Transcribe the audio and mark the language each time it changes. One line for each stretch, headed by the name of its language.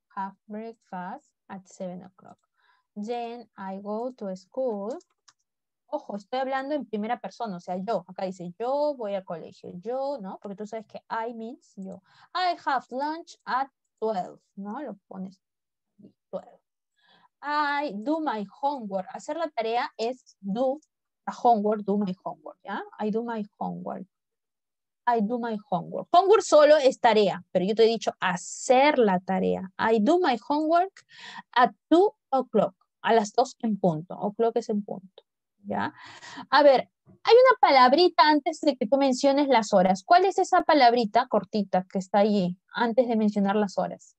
English: Have breakfast at 7 o'clock. Then I go to school.
Spanish: Ojo, estoy hablando en primera persona. O sea, yo. Acá dice yo voy al colegio. Yo, ¿no? Porque tú sabes que I means yo.
English: I have lunch at 12, ¿no?
Spanish: Lo pones 12.
English: I do my homework.
Spanish: Hacer la tarea es do.
English: A homework, do my homework, ¿ya? I do my homework. I do my homework.
Spanish: Homework solo es tarea, pero yo te he dicho hacer la tarea.
English: I do my homework at 2 o'clock.
Spanish: A las 2 en punto. O'clock es en punto, ¿ya? A ver, hay una palabrita antes de que tú menciones las horas. ¿Cuál es esa palabrita cortita que está allí antes de mencionar las horas?